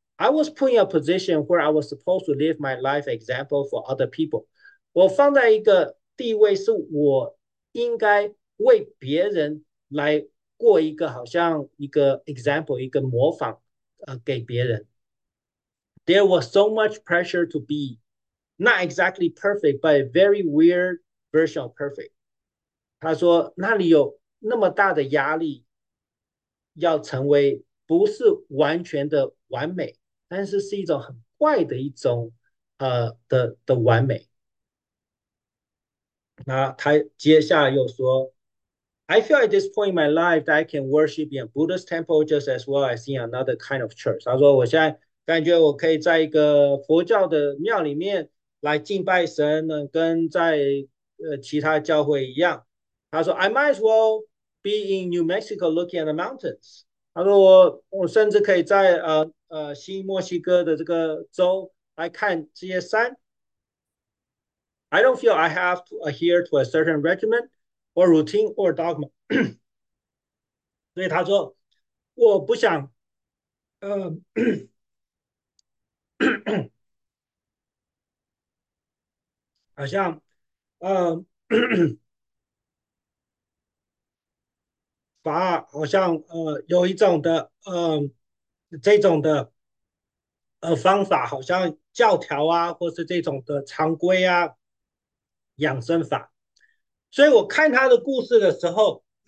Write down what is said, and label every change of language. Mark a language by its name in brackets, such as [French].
[English] I was put in a position where I was supposed to live my life example for other people。 [Chinese] 我放在一个地位，是我应该为别人来过一个好像一个 example，一个模仿，给别人。 [English] There was so much pressure to be not exactly perfect, but a very weird version of perfect。 [Chinese] 他说那里有那么大的压力，要成为不是完全的完美。但是是一种很怪的一种，的完美。那他接下来又说：“ [English] I feel at this point in my life that I can worship in a Buddhist temple just as well as in another kind of church。” [Chinese] 他说：“我现在感觉我可以在一个佛教的庙里面来敬拜神呢，跟在其他教会一样。 ” 他说：“ [English] I might as well be in New Mexico looking at the mountains。 [Chinese] ”他说我甚至可以在新墨西哥的这个州来看这些山。 [English] I don't feel I have to adhere to a certain regimen or routine or dogma。 [Chinese] 所以他说，我不想，好像，把好像有一种的这种的方法，好像教条啊，或是这种的常规啊，养生法。所以我看他的故事的时候，